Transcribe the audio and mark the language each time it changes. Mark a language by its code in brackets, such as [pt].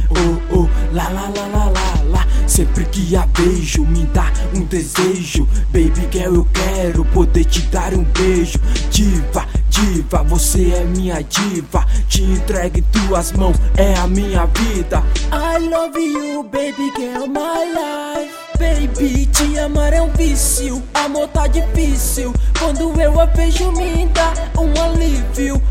[pt] Oh, oh, la la la la la la. Sempre que a beijo, me dá um desejo. Baby, que eu quero poder te dar um beijo. Diva, diva, você é minha diva. Te entregue tuas mãos, é a minha vida. [en] I love you, baby, girl, my life. [pt] Baby, te amar é um vício, amor tá difícil. Quando eu a vejo me dá um alívio.